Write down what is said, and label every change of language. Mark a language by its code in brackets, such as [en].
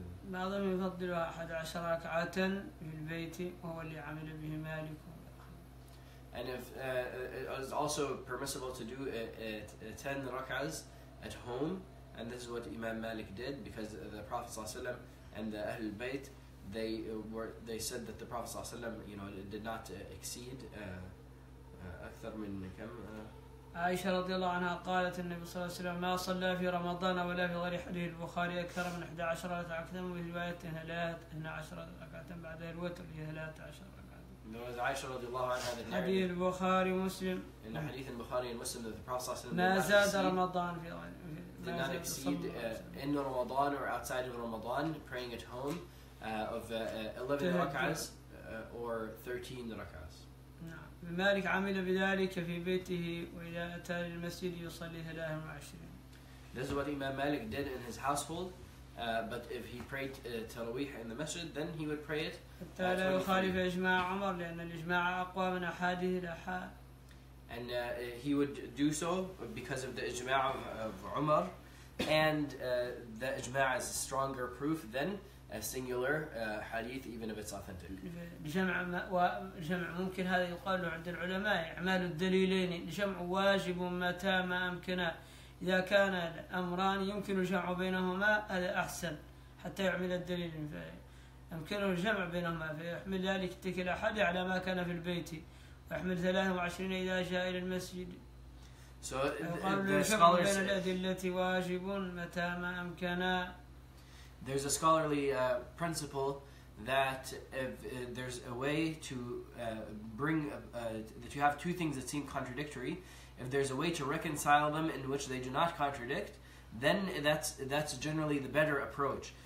[ar] بعضهم يفضل 11 ركعة في البيت وهو اللي عمل به مالك. [en] And if it is also permissible to do it 10 rak'ahs at home, and this is what Imam Malik did, because the Prophet ﷺ and the Ahlul Bayt, they said that the Prophet ﷺ, you know, did not exceed أكثر من كم. [ar] عائشة رضي الله عنها قالت النبي صلى الله عليه وسلم ما صلى في رمضان ولا في غير حديث البخاري أكثر من 11 ركعة وفي رواية 12 ركعة بعد الوتر 13 ركعة. عائشة رضي الله عنها هذا حديث البخاري ومسلم. إن حديث البخاري ومسلم في الرسول صلى الله عليه وسلم ما زاد رمضان في رمضان. [en] إن رمضان or outside of رمضان praying at home of 11 ركعة or 13 ركعة. [ar] نعم مالك عمل بذلك في بيته وإذا أتى للمسجد يصلي 23. [en] This is what Imam Malik did in his household, but if he prayed تراويح in the masjid, then he would pray it. [ar] حتى لا يخالف إجماع عمر لأن الإجماع أقوى من أحاديث الأحاد. [en] And he would do so because of the إجماع of عمر, and the إجماع is a stronger proof than a singular hadith, even if it's authentic. [ar] جمع وجمع ممكن هذا يقال له عند العلماء أعمال الدليلين جمع واجب متى ما أمكن إذا كان الأمران يمكن الجمع بينهما هذا أحسن حتى يعمل الدليل فأمكن الجمع بينهما فيحمل ذلك تلك الأحد على ما كان في البيت ويحمل 23 إذا جاء إلى المسجد. [en] So the scholars [ar] بين الأدلة واجب متى ما أمكن. [en] There's a scholarly principle that if there's a way to bring, that you have two things that seem contradictory, if there's a way to reconcile them in which they do not contradict, then that's generally the better approach.